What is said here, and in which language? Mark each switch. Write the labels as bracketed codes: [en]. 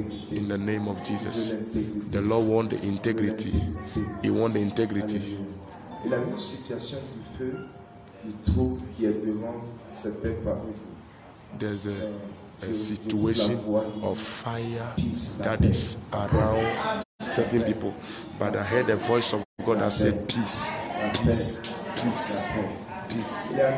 [en] In the name of Jesus, the Lord wants the integrity. He wants the integrity. [fr] Il a vu une situation du feu, du trou qui est devant certains parmi vous. [en] There's a situation of fire that is around certain people. But I heard the voice of God that said, peace, peace, peace, peace.